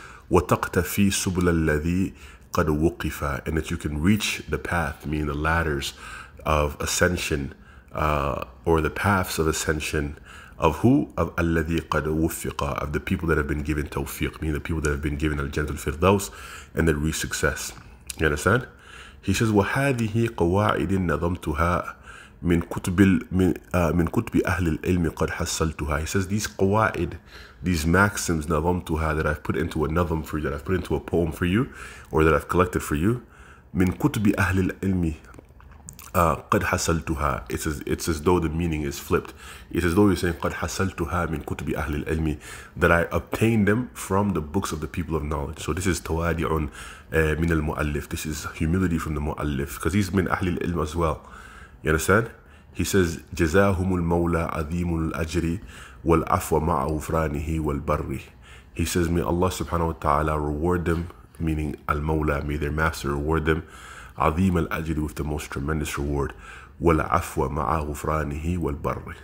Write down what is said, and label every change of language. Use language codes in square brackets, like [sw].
[ar] وَتَقْتَفِي سُبْلَ الَّذِي قَدْ وُقِفَى, [en] and that you can reach the path, meaning the ladders of ascension, or the paths of ascension of who? Of [ar] الَّذِي قَدْ وُفِّقَى, [en] of the people that have been given tawfiq, meaning the people that have been given al-jannatul firdaus, and that reach success. You understand? He says, [ar] وَهَذِهِ قَوَاعِدِ نَظَمْتُهَا مِن كُتْبِ أَهْلِ الْعِلْمِ قَدْ حَصَّلْتُهَا. [en] He says, these qawaid, these maxims, nadhamtuha, that I've put into a nadham for you, that I've put into a poem for you, or that I've collected for you, [ar] مِن كُتْبِ أَهْلِ الْعِلْمِ قَدْ حَصَّلْتُهَا. [en] It's as though the meaning is flipped. It's as though you're saying, [ar] قَدْ حَصَّلْتُهَا مِن كُتْبِ أَهْلِ الْعِلْمِ, [en] that I obtained them from the books of the people of knowledge. So this is [ar] tawadi'un min al-mu'allif. [en] This is humility from the mu'allif, because he's [ar] min ahlil ilm [en] as well. You understand? He says, [ar] جَزَاهُمُ الْمَوْلَى عَظِيمُ الْأَجْرِ وَالْعَفْوَ مَعَ غُفْرَانِهِ وَالْبَرِّ. [en] He says, may Allah subhanahu wa ta'ala reward them, meaning al-mawla, may their master reward them, [ar] عَظِيمُ الْأَجْرِ, [en] with the most tremendous reward, [ar] وَالْعَفْوَ مَعَ غُفْرَانِهِ وَالْبَرِّ.